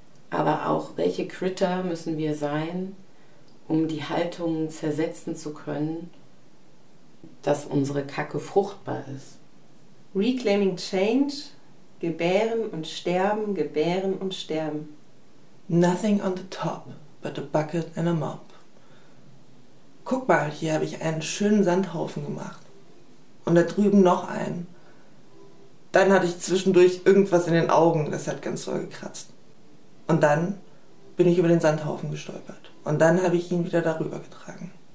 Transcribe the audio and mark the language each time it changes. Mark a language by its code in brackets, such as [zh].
[de] Aber auch, welche Critter müssen wir sein, um die Haltung zersetzen zu können, dass unsere Kacke fruchtbar ist? Reclaiming Change, gebären und sterben, gebären und sterben. [en] Nothing on the top but a bucket and a mop. [de] Guck mal, hier habe ich einen schönen Sandhaufen gemacht. Und da drüben noch einen. Dann hatte ich zwischendurch irgendwas in den Augen, das hat ganz doll gekratzt. Und dann bin ich über den Sandhaufen gestolpert. Und dann habe ich ihn wieder darüber getragen.